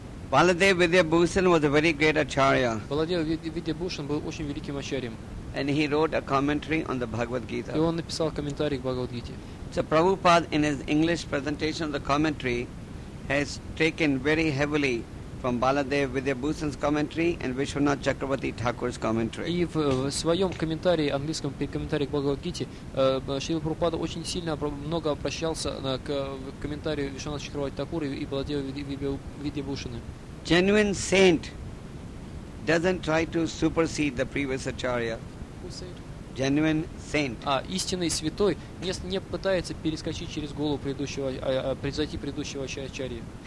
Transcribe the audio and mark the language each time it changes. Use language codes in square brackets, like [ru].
[en] Баладев Видьябхушан was a very great acharya. [ru] Баладев Видьябхушан был очень великим ачарьем. [en] And he wrote a commentary on the Bhagavad Gita. [ru] И он написал комментарий к Бхагавад Гите. [en] So Prabhupada in his English presentation of the commentary has taken very heavily from Baladev Vidyabhusan's commentary and Vishwanath Chakravarti Thakur's commentary. [ru] И в своем комментарии, английском комментарии к Бхагавад Гите, Шрила Прабхупада очень сильно много обращался к комментарию Вишванатха Чакраварти Такура и Баладева Видьябхушана. [en] Genuine saint doesn't try to supersede the previous acharya. Genuine saint. [ru] А истинный святой не пытается перескочить через голову предыдущего, превзойти предыдущего ачарьи.